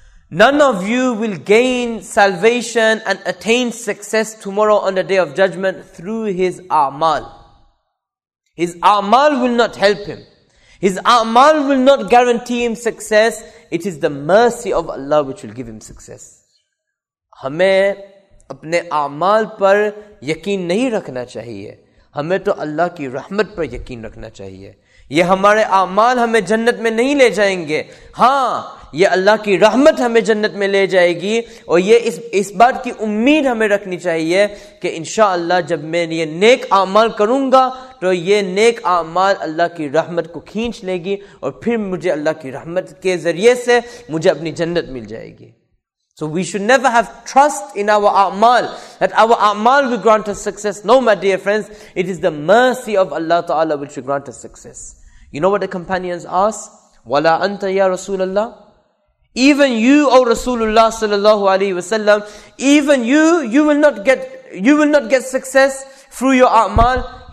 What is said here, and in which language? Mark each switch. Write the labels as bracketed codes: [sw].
[en] None of you will gain salvation and attain success tomorrow on the day of judgment through his a'mal. His a'mal will not help him. His a'mal will not guarantee him success. It is the mercy of Allah which will give him success. [ur] ہمیں اپنے a'mal پر یقین نہیں رکھنا چاہیے. ہمیں تو اللہ کی رحمت پر یقین رکھنا چاہیے. یہ ہمارے اعمال ہمیں جنت میں نہیں لے جائیں گے. ہاں, یہ اللہ کی رحمت ہمیں جنت میں لے جائے گی. اور یہ اس بات کی امید ہمیں رکھنی چاہیے کہ انشاءاللہ جب میں یہ نیک اعمال کروں گا تو یہ نیک اعمال اللہ کی رحمت کو کھینچ لے گی, اور پھر مجھے اللہ کی رحمت کے ذریعے سے مجھے اپنی جنت مل جائے گی. [en] So we should never have trust in our a'mal, that our a'mal will grant us success. No, my dear friends, it is the mercy of Allah Ta'ala which will grant us success. You know what the companions ask? [ar] Wala anta ya Rasulullah? [en] Even you, O Rasulullah sallallahu alayhi wa sallam, even you will not get success through your a'mal.